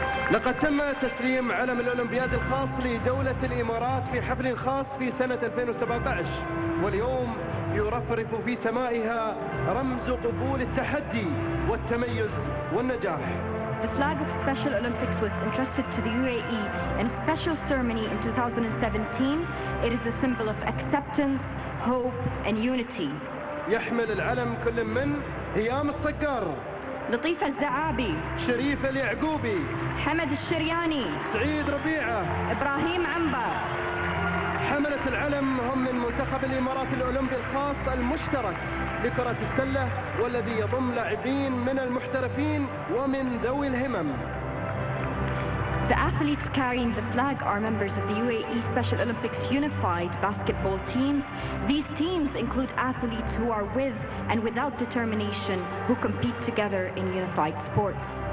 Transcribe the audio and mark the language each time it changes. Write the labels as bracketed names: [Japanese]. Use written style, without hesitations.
[Arabic] لقد تم تسليم علم الأولمبياد الخاص لدولة الإمارات في حفل خاص في سنة 2017، واليوم يرفرف في سمائها رمز قبول التحدي والتميز والنجاح. [English] The flag of Special Olympics was entrusted to the UAE in a special ceremony in 2017. It is a symbol of acceptance, hope and unity. [Arabic] يحمل العلم كل من هيام الصقر، لطيفة الزعابي، شريف اليعقوبي، حمد الشرياني، سعيد ربيعة، إبراهيم عنبر. حملة العلم هم من منتخب الإمارات الأولمبي الخاص المشترك لكرة السلة، والذي يضم لاعبين من المحترفين ومن ذوي الهمم. [English] The athletes carrying the flag are members of the UAE Special Olympics Unified Basketball Teams. These teams include athletes who are with and without determination, who compete together in unified sports.